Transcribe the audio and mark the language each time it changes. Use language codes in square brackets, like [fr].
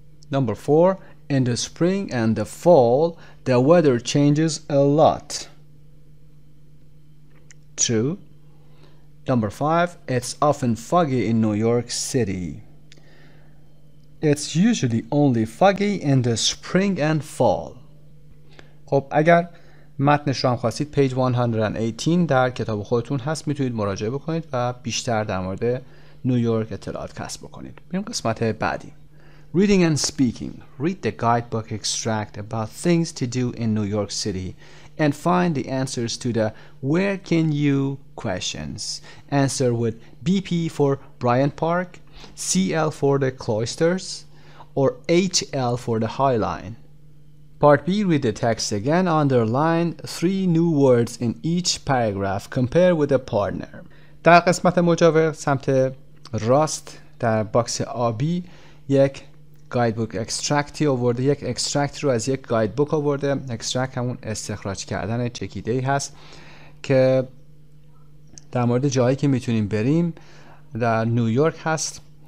[en] Number four, in the spring and the fall, the weather changes a lot. True. Number five, it's often foggy in New York City. It's usually only foggy in the spring and fall. [fa] خب اگر متنش رو هم خواستید پیج 118 در کتاب خودتون هست، میتونید مراجعه بکنید و بیشتر در مورد نیویورک اطلاعات کسب بکنید. بریم قسمت بعدی. [en] Reading and speaking. Read the guidebook extract about things to do in New York City and find the answers to the where can you questions. Answer with BP for Bryant Park, CL for the Cloisters, or HL for the High Line. Part B, read the text again, underline three new words in each paragraph, compare with a partner. [fa] در قسمت مجاور سمت راست در باکس آبی یک گایدبوک اکستراکتی آورده، یک اکستراکت رو از یک گایدبوک آورده. اکستراکت همون استخراج کردن چکیده هست که در مورد جایی که میتونیم بریم در نیویورک هست.